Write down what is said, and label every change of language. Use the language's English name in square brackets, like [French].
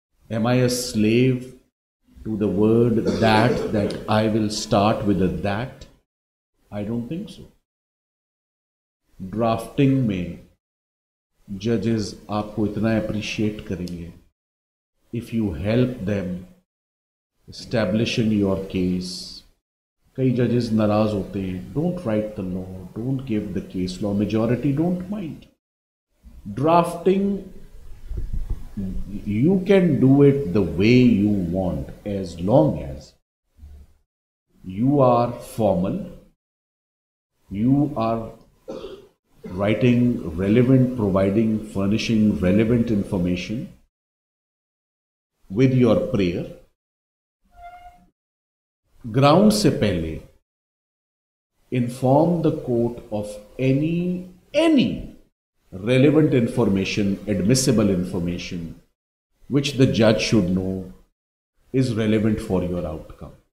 [English] M I a slave to the word that that I will start with a that? I don't think so. [Hindi] Drafting में जजेस आपको इतना appreciate करेंगे [English] If you help them establishing your case. [Hindi] कई judges नाराज होते हैं, [English] don't write the law, don't give the case law, majority don't mind. Drafting, you can do it the way you want as long as you are formal, you are writing relevant, providing, furnishing relevant information with your prayer. [Hindi] Ground से पहले [English] Inform the court of any relevant information, admissible information which the जज should know is relevant for your outcome.